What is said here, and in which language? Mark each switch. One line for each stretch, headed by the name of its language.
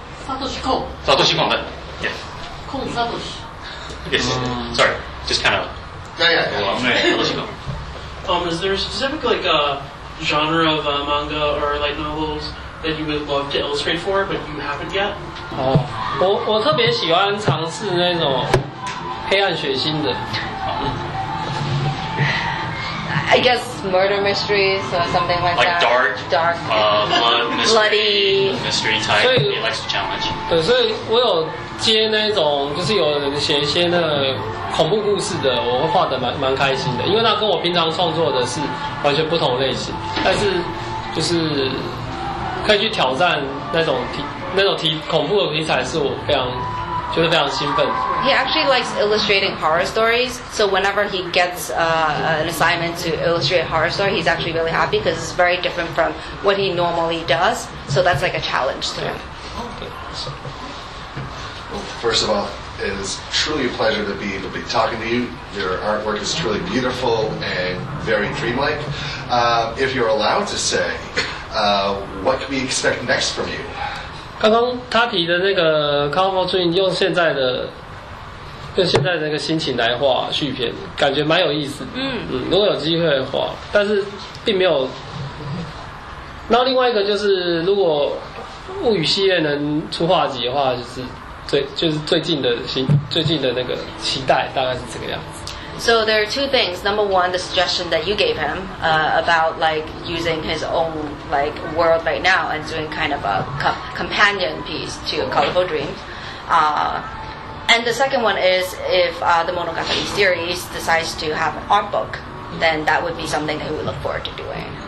English: 萨多西康的，Yes。 Yes. Sorry, just kind of. Yeah. Is there a specific like genre of manga or light novels that you would love to illustrate for, but you haven't yet?
Chinese: Oh, 我特别喜欢尝试那种黑暗血腥的。
English: I guess murder mysteries or something like that. Like dark, dark, blood, mystery, bloody mystery type. He likes to challenge.
Chinese: 对，所以我有接那种，就是有人写一些那恐怖故事的，我会画得蛮开心的，因为那跟我平常创作的是完全不同类型。但是就是可可以去挑战那种恐怖的题材是我非常觉得非常兴奋。
English: He actually likes illustrating horror stories, so whenever he gets an assignment to illustrate a horror story, he's actually really happy because it's very different from what he normally does. So that's like a challenge to him. Well, first of all, it is truly a pleasure to be talking to you. Your artwork is truly beautiful and very dreamlike. If you're allowed to say, what can we expect next from you?
Chinese: 刚刚他提的那个 Colorful Dream 用现在的那个心情来画续篇，感觉蛮有意思的。如果有机会画，但是并没有。那另外一个就是，如果物语系列能出画集的话，就是最近的那个期待，大概是这个样子。
English: So there are two things. Number one, the suggestion that you gave him about like using his own like world right now and doing kind of a companion piece to Colorful Dreams. And the second one is if the Monogatari series decides to have an art book, then that would be something that he would look forward to doing.